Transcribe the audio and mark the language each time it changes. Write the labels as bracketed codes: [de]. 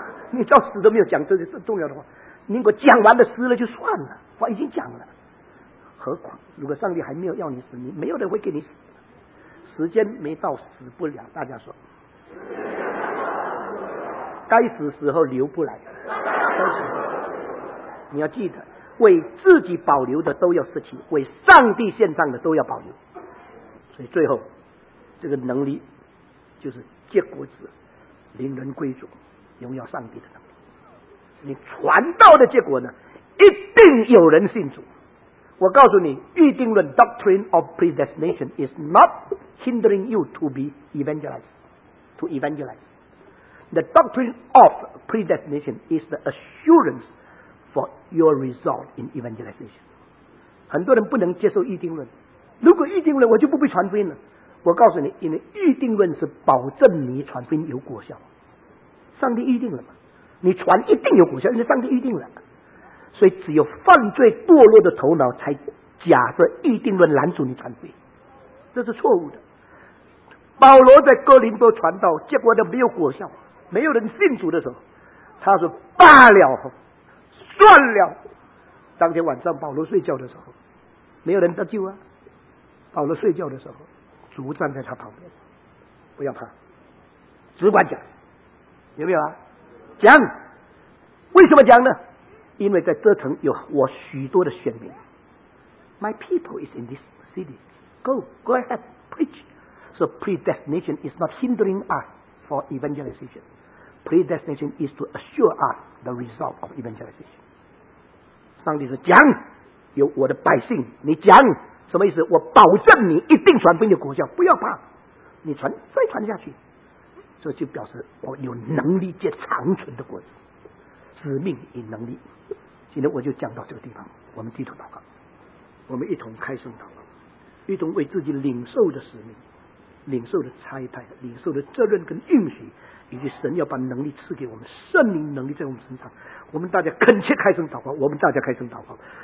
[zh] 你到死都没有讲这些重要的话，你给我讲完了死了就算了，我已经讲了，何况如果上帝还没有要你死，你没有人会给你死，时间没到死不了，大家说该死时候留不来，你要记得为自己保留的都要舍弃，为上帝献上的都要保留。所以最后这个能力就是结果子令人归主，荣耀上帝的能力。你传道的结果呢，一定有人信主。 [en] 我告诉你，预定论 doctrine of predestination is not hindering you to be evangelized. The doctrine of predestination is the assurance for your result in evangelization. [zh] 很多人不能接受预定论，如果预定论我就不必传福音了。我告诉你，因为预定论是保证你传福音有果效，上帝预定了嘛，你传一定有果效，因为上帝预定了。所以只有犯罪堕落的头脑才假设预定论拦阻你传福音，这是错误的。保罗在哥林多传道结果都没有果效，没有人信主的时候他说罢了算了，当天晚上保罗睡觉的时候没有人得救啊，保罗睡觉的时候主站在他旁边，不要怕，只管讲，有没有啊？讲，为什么讲呢？因为在这城有我许多的选民。 [en] My people is in this city. Go ahead, preach. So predestination is not hindering us for evangelization. Predestination is to assure us the result of evangelization. [zh] 上帝说讲，有我的百姓，你讲什么意思？我保证你一定传福音的果效，不要怕，你传再传下去，这就表示我有能力结长存的果子，使命与能力。今天我就讲到这个地方，我们低头祷告，我们一同开声祷告，一同为自己领受的使命、领受的差派、领受的责任跟应许，以及神要把能力赐给我们，圣灵能力在我们身上，我们大家恳切开声祷告，我们大家开声祷告。